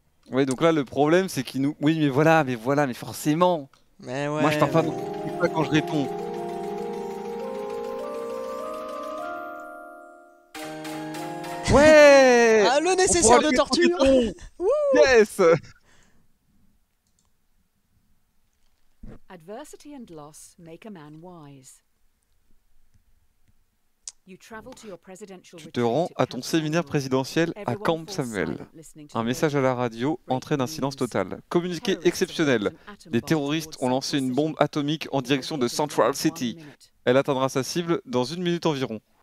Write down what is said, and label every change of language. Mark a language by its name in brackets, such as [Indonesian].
[French] Oui, donc là le problème c'est qu'il nous. Oui, mais voilà, mais forcément. Mais ouais. Moi je pars pas dans l'optique quand je réponds. Ouais! Ah, le nécessaire de torture! [English] Yes! Adversity and loss make a man wise. You travel to your presidential retreat. [French] Tu te rends à ton séminaire présidentiel à Camp Samuel. Un message à la radio entrait d'un silence total. Communiqué exceptionnel. Des terroristes ont lancé une bombe atomique en direction de Central City. Elle atteindra sa cible dans une minute environ.